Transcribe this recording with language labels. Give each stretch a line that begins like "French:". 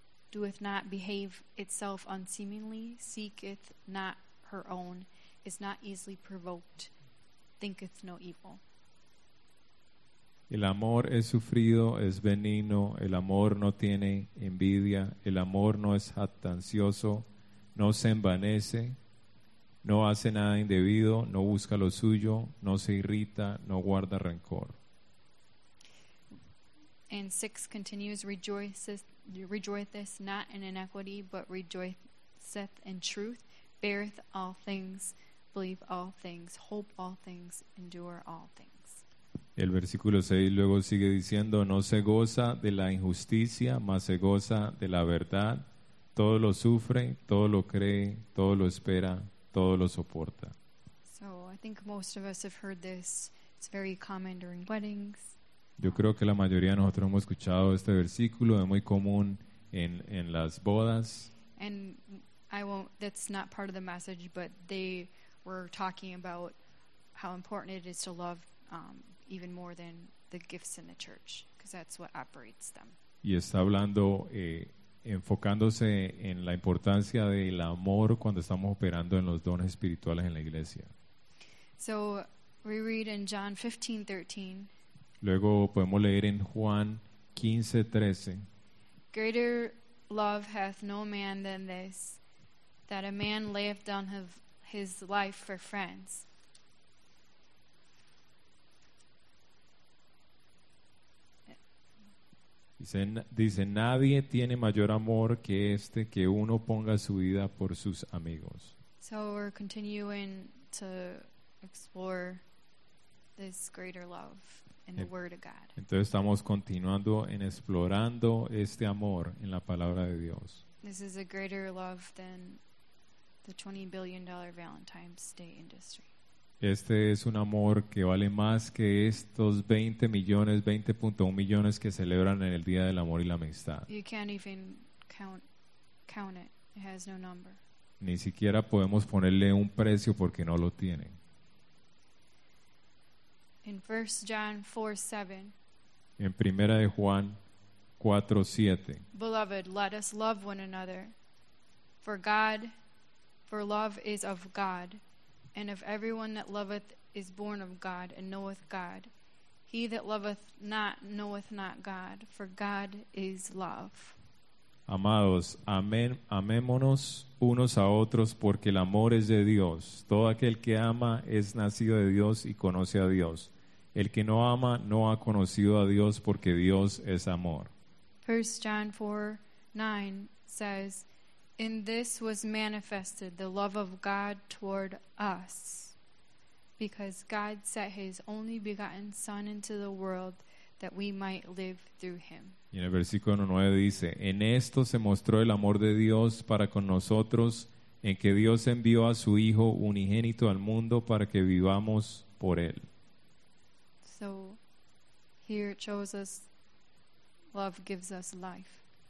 English: Doeth not behave itself unseemly, seeketh not her own, is not easily provoked, thinketh no evil.
Spanish: El amor es sufrido, es benigno, el amor no tiene envidia, el amor no es jactancioso, no se envanece, no hace nada indebido, no busca lo suyo, no se irrita, no guarda rencor.
English: And 6 continues, rejoiceth not in iniquity, but rejoiceth in truth, beareth all things, believe all things, hope all things, endure all things.
Spanish: El versículo 6 luego sigue diciendo, no se goza de la injusticia, mas se goza de la verdad. Todo lo sufre, todo lo cree, todo lo espera, todo lo soporta.
English: So I think most of us have heard this. It's very common during weddings.
Spanish: Yo creo que la mayoría de nosotros hemos escuchado este versículo, es muy común en las bodas.
English: And that's not part of the message, but they were talking about how important it is to love even more than the gifts in the church, because that's what operates them.
Spanish: Y está hablando, enfocándose en la importancia del amor cuando estamos operando en los dones espirituales en la iglesia.
English: So we read in John 15:13.
Spanish: Luego podemos leer en Juan 15:13.
English: Greater love hath no man than this, that a man layeth down his life for friends.
Spanish: Dice, nadie tiene mayor amor que este, que uno ponga su vida por sus amigos.
English: So we're continuing to explore this greater love in the Word of God.
Spanish: Entonces estamos continuando en explorando este amor en la palabra de Dios.
English: This is a greater love than the $20 billion Valentine's Day industry.
Spanish: Este es un amor que vale más que estos 20.1 millones que celebran en el Día del Amor y la Amistad.
English: You can't even count it. It has no number.
Spanish: Ni siquiera podemos ponerle un precio porque no lo tiene.
English: In 1 John 4:7.
Spanish: En Primera de Juan 4:7.
English: Beloved, let us love one another, for love is of God. And if everyone that loveth is born of God and knoweth God, he that loveth not knoweth not God, for God is love.
Spanish: Amados, amémonos unos a otros porque el amor es de Dios. Todo aquel que ama es nacido de Dios y conoce a Dios. El que no ama no ha conocido a Dios porque Dios es amor.
English: 1 John 4:9 says, in this was manifested the love of God toward us, because God sent his only begotten Son into the world that we might live through him.
Spanish: Y en el versículo 9 dice, en esto se mostró el amor de Dios para con nosotros, en que Dios envió a su Hijo unigénito al mundo para que vivamos por él.
English: So here it shows us love gives us life.